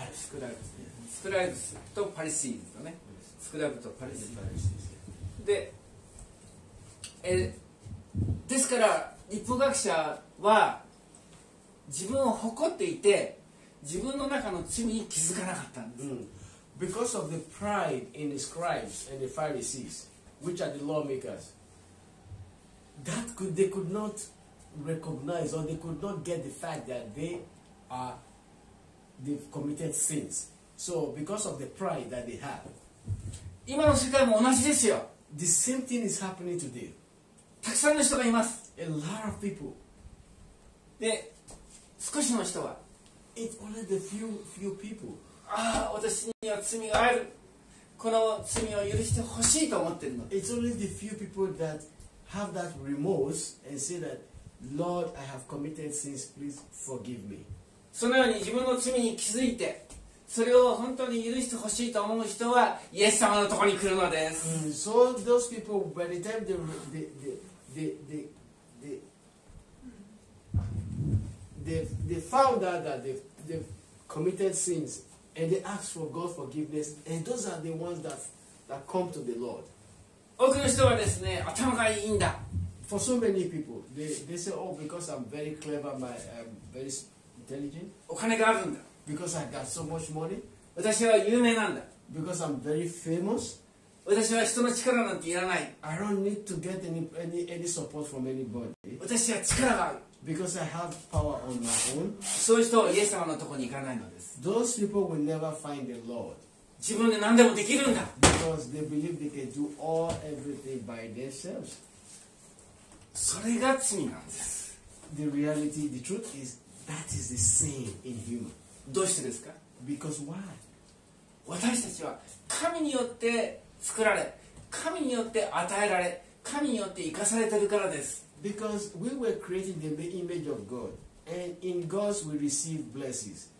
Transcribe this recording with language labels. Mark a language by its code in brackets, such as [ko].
[en] スクライブスとパリシーズとね、スクライブとパリシーズ。 [ja] で、ですから立法学者は。自分を誇っていて、自分の中の罪に気づかなかったんです。 [en] Because of the pride in the scribes and the Pharisees, which are the lawmakers, that could, they could not recognize or they could not get the fact that they are they've committed sins. So because of the pride that they have, [ja] 今の世界も同じですよ。 [en] The same thing is happening today. [ja] たくさんの人がいます。 [en] A lot of people. [ja] で少しの人は、 [en] It's only the few people. [ja] ああ、私には罪がある。この罪を許してほしいと思ってるの。 [en] It's only the few people that have that remorse and say that, Lord, I have committed sins, please forgive me. [ja] そのように自分の罪に気づいて、それを本当に許してほしいと思う人は、イエス様のところに来るのです。 [en] Mm, so those people, by the time they found out that they've committed sins and they ask for God's forgiveness and those are the ones that come to the Lord. [ja] 多くの人はですね、頭がいいんだ。 [en] For so many people, they say, oh, because I'm very clever, I'm very intelligent. [ja] お金があるんだ。 [en] Because I got so much money. [ja] 私は有名なんだ。 [en] Because I'm very famous. [ja] 私は人の力なんていらない。 [en] I don't need to get any support from anybody. [ja] 私は力がある。 [en] Because I have power on my own. [ja] そういう人はイエス様のところに行かないのです。 [en] Those people will never find the Lord. [ja] 自分で何でもできるんだ。 [en] Because they believe they can do all everything by themselves. [ja] それが罪なんです。 [en] The reality, the truth is that is the sin in human. [ja] どうしてですか? [en] Because why? [ja] 私たちは神によって作られ、神によって与えられ、神によって生かされてるからです。 [en] Because we were created in the image of God, and in God we receive blessings.